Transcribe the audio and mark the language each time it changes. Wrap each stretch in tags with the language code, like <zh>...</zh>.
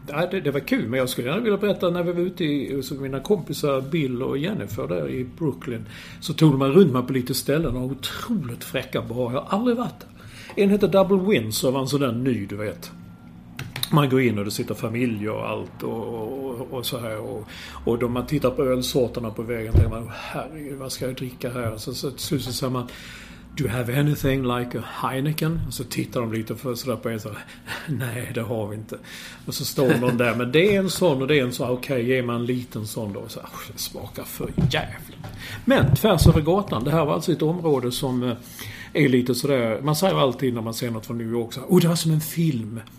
<sv>Det var kul, men jag skulle gärna vilja berätta, när vi var ute hos mina kompisar Bill och Jennifer där i Brooklyn, så tog de runt mig på lite ställen och otroligt fräcka bar. Jag har aldrig varit där. En heter Double Winds och var en sån där ny, du vet. Man går in och det sitter familj och allt och så här. Och då man tittar på ölsorterna på vägen och tänker man, herregud, vad ska jag dricka här? Så slutar så man...</sv> <en>Do you have anything like a Heineken?</en> <sv>Och så tittar de lite för sådär på en, så nej, det har vi inte. Och så står de där, men det är en sån och det är en sån, okej, ger man en liten sån då, och så smakar för jävligt. Men tvärs över gatan, det här var alltså ett område som är lite sådär, man säger alltid när man ser något från New York, så, oh, det var som en film.</sv>